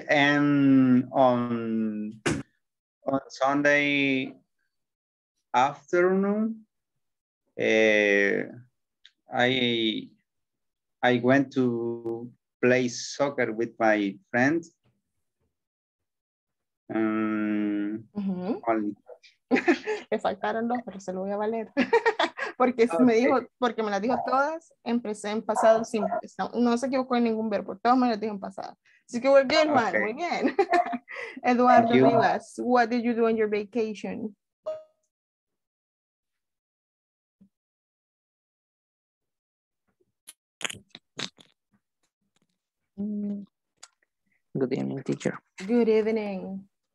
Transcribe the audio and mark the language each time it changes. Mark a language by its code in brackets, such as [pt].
[en] And on Sunday afternoon, I went to play soccer with my friends. Mm-hmm. [es] Me faltaron dos, pero se lo voy a valer. Porque okay. Me dijo, porque me las dijo todas en pasado simple. No, no se equivocó en ningún verbo, todas me las dijo en pasado. Así que muy bien, Juan, okay. Muy bien. [en] Eduardo Rivas, what did you do on your vacation? Good evening, teacher. Good evening.